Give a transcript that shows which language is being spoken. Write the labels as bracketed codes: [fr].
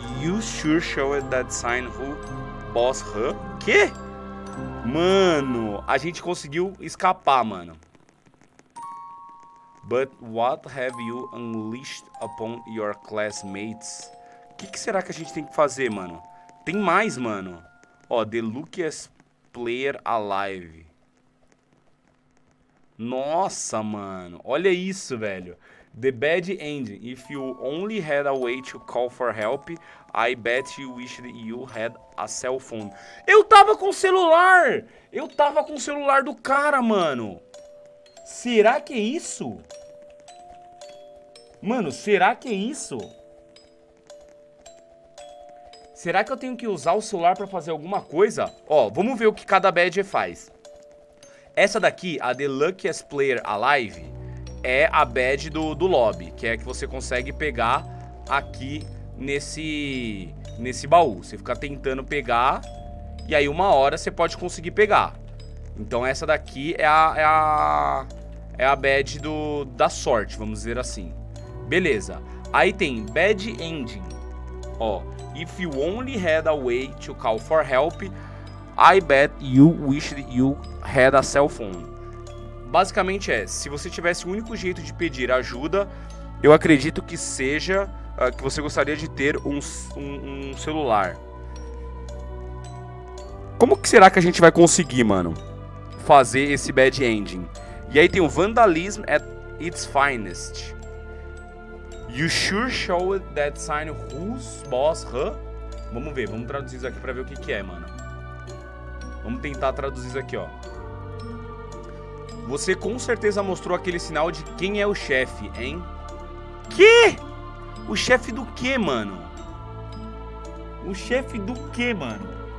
[en] You sure show that sign who boss her? [pt] Quê? Mano, a gente conseguiu escapar, mano. [en] But what have you unleashed upon your classmates? [pt] Que será que a gente tem que fazer, mano? Tem mais, mano. Ó, the luckiest player alive. Nossa, mano. Olha isso, velho. The bad ending. [en] If you only had a way to call for help, I bet you wished you had a cell phone. [pt] Eu tava com o celular! Eu tava com o celular do cara, mano. Será que é isso? Mano, será que é isso? Será que eu tenho que usar o celular para fazer alguma coisa? Ó, vamos ver o que cada badge faz. Essa daqui, a The Luckiest Player Alive, é a badge do lobby, que é a que você consegue pegar aqui nesse baú. Você fica tentando pegar e aí uma hora você pode conseguir pegar. Então essa daqui é a badge da sorte, vamos dizer assim. Beleza. Aí tem bad ending. [en] Ó, if you only had a way to call for help, I bet you wished you had a cell phone. [pt] Basicamente é, se você tivesse o único jeito de pedir ajuda, eu acredito que seja que você gostaria de ter um celular. Como que será que a gente vai conseguir, mano, fazer esse bad ending? E aí tem o vandalism at its finest. [en] You sure showed that sign who's boss, huh? [pt] Vamos ver, vamos traduzir isso aqui pra ver o que que é, mano. Vamos tentar traduzir isso aqui, ó. Você com certeza mostrou aquele sinal de quem é o chefe, hein? Quê? O chefe do quê, mano? O chefe do quê, mano?